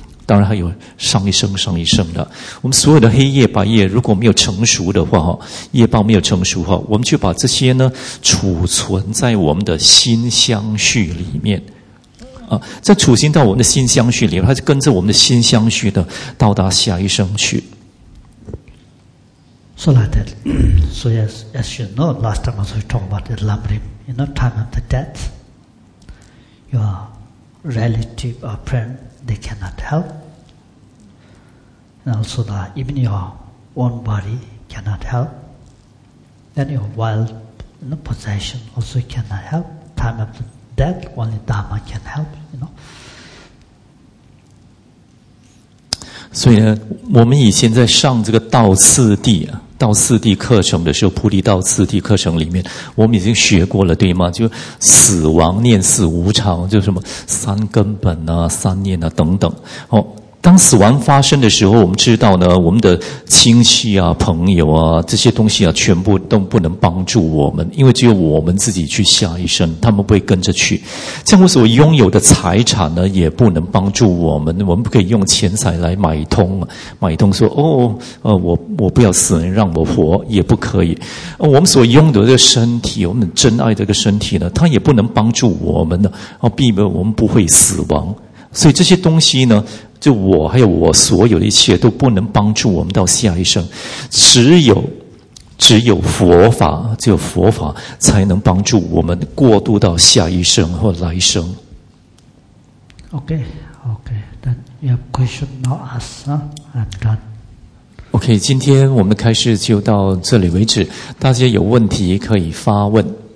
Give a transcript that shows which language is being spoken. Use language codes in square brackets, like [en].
[zh] 当然还有上一生、上一生的。我们所有的黑夜、白夜，如果没有成熟的话，业报没有成熟的话，我们就把这些呢储存在我们的心相续里面啊，在储存到我们的心相续里面，它就跟着我们的心相续的到达下一生去。 [en] So like that. So as you know, last time we talked about the lamrim, in the time of the death, your relative or friend. They cannot help. And also that even your own body cannot help. Then your wealth, you know, possession also cannot help. Time of the death, only Dharma can help, you know. [zh] 所以呢，我们以前在上这个道次第啊。道次第课程的时候，菩提道次第课程里面，我们已经学过了，对吗？就死亡念死无常，就什么三根本啊、三念啊等等。哦，当死亡发生的时候，我们知道呢，我们的亲戚啊、朋友啊这些东西啊，全部都不能帮助我们，因为只有我们自己去下一生，他们不会跟着去。像我所拥有的财产呢，也不能帮助我们，我们不可以用钱财来买通，买通说哦，我不要死人，让我活，也不可以。我们所拥有的身体，我们珍爱这个身体呢，它也不能帮助我们呢，避免我们不会死亡。所以这些东西呢。就我还有我所有的一切都不能帮助我们到下一生，只有佛法，只有佛法才能帮助我们过渡到下一生或来生。 [en] Okay, then you have question now ask, I'm done. [zh] Okay, 今天我们的开示就到这里为止，大家有问题可以发问。